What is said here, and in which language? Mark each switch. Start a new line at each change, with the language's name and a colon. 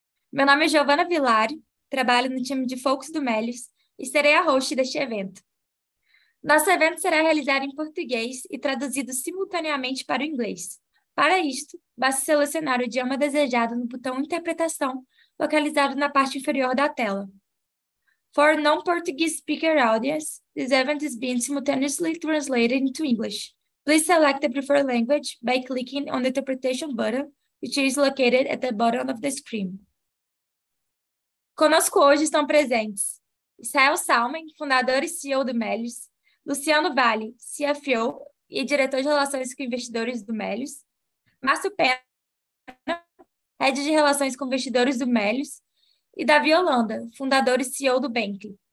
Portuguese: Meu nome é Giovana Villari, trabalho no time de Focus do Melius e serei a host deste evento. Nosso evento será realizado em português e traduzido simultaneamente para o inglês. Para isto, basta selecionar o idioma desejado no botão Interpretação, localizado na parte inferior da tela.
English: For non-Portuguese speaker audience, this event is being simultaneously translated into English. Please select the preferred language by clicking on the interpretation button, which is located at the bottom of the screen.
Portuguese: Conosco hoje estão presentes Israel Salmen, fundador e CEO do Melius, Luciano Valle, CFO e diretor de relações com investidores do Melius, Márcio Pena, head de relações com investidores do Melius, e Davi Holanda, fundador e CEO do Bentley.